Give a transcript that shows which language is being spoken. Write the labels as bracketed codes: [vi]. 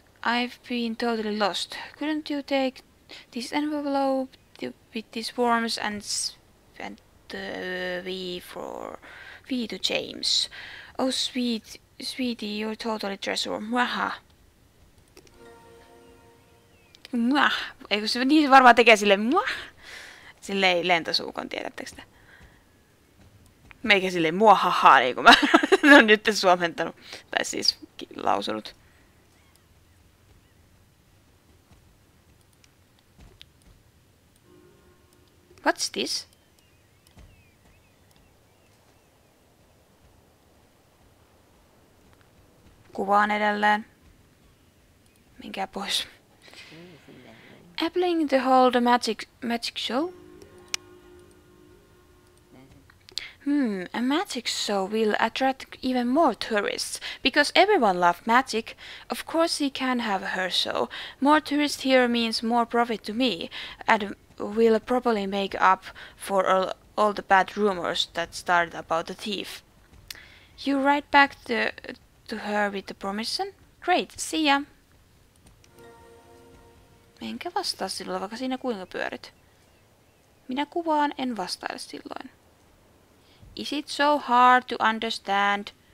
[en] I've been totally lost. Couldn't you take this envelope with these forms and send the V to James? Oh, sweetie, you're totally treasure. Mwaha. Mwah. [fi] Eikö se niin varmaan tekee sille mwah? Silleen lentosuukon, tiedättekö sitä? Meikä silleen mwahaha, niin kuin mä oon nyt suomentanut. Tai siis lausunut. [en] What's this? [fi] Kuvaan edelleen. Minkä pois. [en] Appling to hold a magic show? A magic show will attract even more tourists, because everyone loves magic. Of course he can have her show. More tourists here means more profit to me, and will probably make up for all the bad rumors that started about the thief. You write back to her with the permission? Great, see ya! [fi] Enkä vastaa silloin, vaikka siinä kuinka pyörit. Minä kuvaan, en vastaile silloin. [en] Is it so hard to understand?